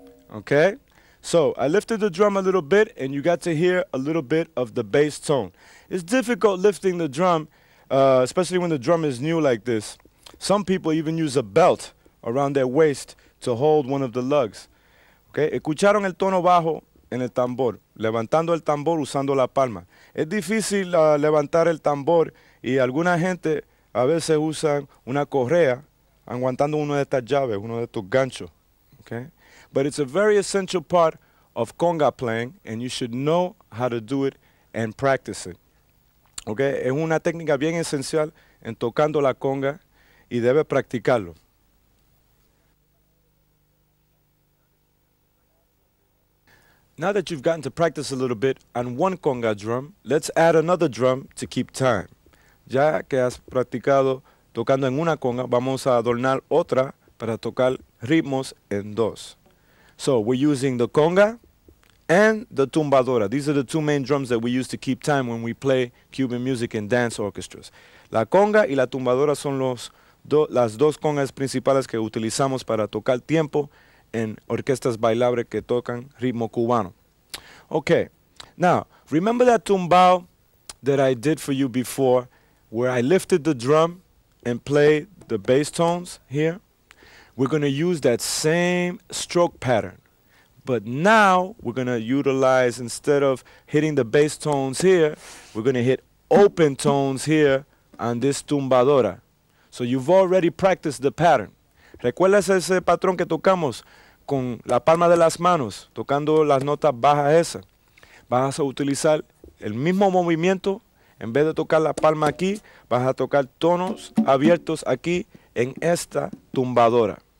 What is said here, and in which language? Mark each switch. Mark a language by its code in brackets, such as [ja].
[en] Okay, so I lifted the drum a little bit and you got to hear a little bit of the bass tone. It's difficult lifting the drum, especially when the drum is new like this. Some people even use a belt around their waist to hold one of the lugs. [es] Okay, escucharon el tono bajo en el tambor, levantando el tambor usando la palma. Es difícil levantar el tambor y alguna gente a veces usa una correa aguantando uno de estas llaves, uno de estos ganchos. [en] Okay. But it's a very essential part of conga playing, and you should know how to do it and practice it. Okay? [es] Es una técnica bien esencial en tocando la conga, y debe practicarlo. [en] Now that you've gotten to practice a little bit on one conga drum, let's add another drum to keep time. [es] Ya que has practicado tocando en una conga, vamos a adornar otra para tocar ritmos en dos. [en] So we're using the conga and the tumbadora. These are the two main drums that we use to keep time when we play Cuban music in dance orchestras. [es] La conga y la tumbadora son las dos congas principales que utilizamos para tocar tiempo en orquestas bailables que tocan ritmo cubano. [en] Okay, now, remember that tumbao that I did for you before where I lifted the drum and played the bass tones here? We're going to use that same stroke pattern, but now we're going to utilize, instead of hitting the bass tones here, we're going to hit open tones here on this tumbadora. So you've already practiced the pattern. [es] ¿Recuerdas ese patrón que tocamos con la palma de las manos, tocando las notas bajas esas? Vas a utilizar el mismo movimiento. En vez de tocar la palma aquí, vas a tocar tonos abiertos aquí en esta tumbadora.